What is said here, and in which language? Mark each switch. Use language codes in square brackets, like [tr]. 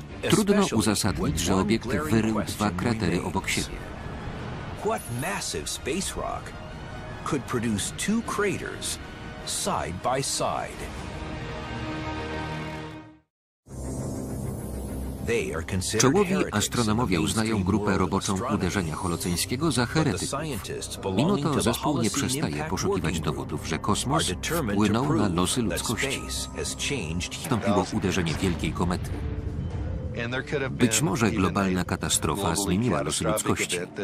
[pl] Trudno uzasadnić, że obiekt wyrył dwa kratery obok siebie. [en] What massive space rock could produce two craters side by side? [pl] Czołowi astronomowie uznają grupę roboczą uderzenia holoceńskiego za heretyków. Mimo to zespół nie przestaje poszukiwać dowodów, że kosmos wpłynął na losy ludzkości. Wstąpiło uderzenie wielkiej komety. Być może globalna katastrofa zmieniła losy ludzkości.